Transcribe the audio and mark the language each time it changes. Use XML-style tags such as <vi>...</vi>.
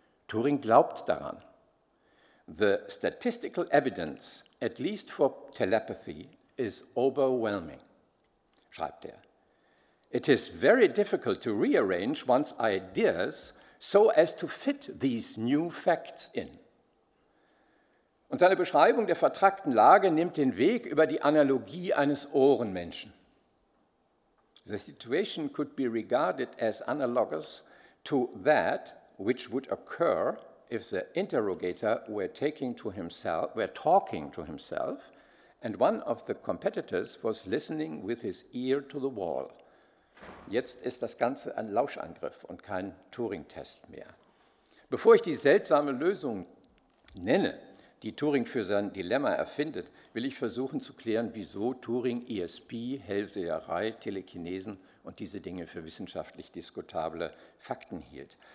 <de>Turing glaubt daran.</de> <en>The statistical evidence, at least for telepathy, is overwhelming,</en> <de>schreibt er.</de> <en>It is very difficult to rearrange one's ideas so as to fit these new facts in.</en> <de>Und seine Beschreibung der vertrackten Lage nimmt den Weg über die Analogie eines Ohrenmenschen.</de> <en>The situation could be regarded as analogous to that which would occur if the interrogator were talking to himself and one of the competitors was listening with his ear to the wall.</en> <de>Jetzt ist das Ganze ein Lauschangriff und kein Turing-Test mehr. Bevor ich die seltsame Lösung nenne, die Turing für sein Dilemma erfindet, will ich versuchen zu klären, wieso Turing ESP, Hellseherei, Telekinesen und diese Dinge für wissenschaftlich diskutable Fakten hielt.</de>